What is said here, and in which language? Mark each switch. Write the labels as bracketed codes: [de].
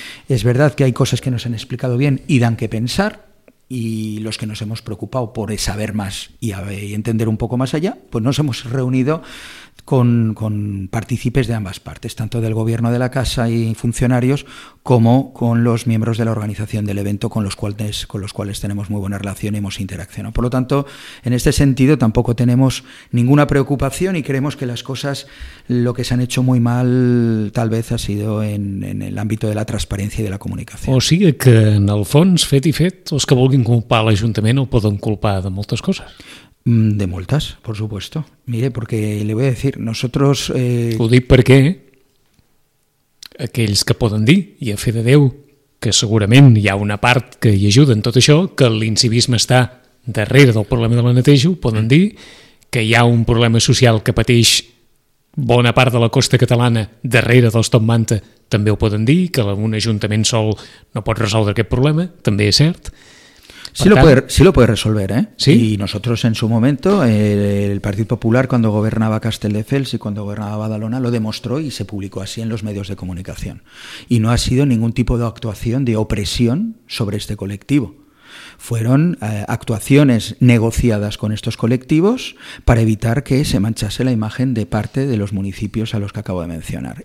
[es] Es verdad que hay cosas que nos han explicado bien y dan que pensar, y los que nos hemos preocupado por saber más y entender un poco más allá, pues nos hemos reunido con partícipes de ambas partes, tanto del gobierno de la casa y funcionarios, como con los miembros de la organización del evento, con los cuales tenemos muy buena relación y hemos interaccionado. Por lo tanto, en este sentido, tampoco tenemos ninguna preocupación y creemos que las cosas, lo que se han hecho muy mal, tal vez ha sido en el ámbito de la transparencia y de la comunicación. [ca] O sigui que, en el fons, fet i fet, els que vulguin culpar l'Ajuntament ho poden culpar de moltes coses. [es] De multas, por supuesto. Mire, porque le voy a decir, nosotros... [ca] Ho dic perquè aquells que poden dir, i a fe de Déu, que segurament hi ha una part que hi ajuda en tot això, que l'incivisme està darrere del problema de la neteja, poden dir que hi ha un problema social que pateix bona part de la costa catalana darrere dels Top Manta, també ho poden dir, que un ajuntament sol no pot resoldre aquest problema, també és cert. [es] Sí lo puede resolver, ¿eh? ¿Sí? Y nosotros en su momento, el Partido Popular, cuando gobernaba Castelldefels y cuando gobernaba Badalona, lo demostró y se publicó así en los medios de comunicación. Y no ha sido ningún tipo de actuación de opresión sobre este colectivo. Fueron actuaciones negociadas con estos colectivos para evitar que se manchase la imagen de parte de los municipios a los que acabo de mencionar.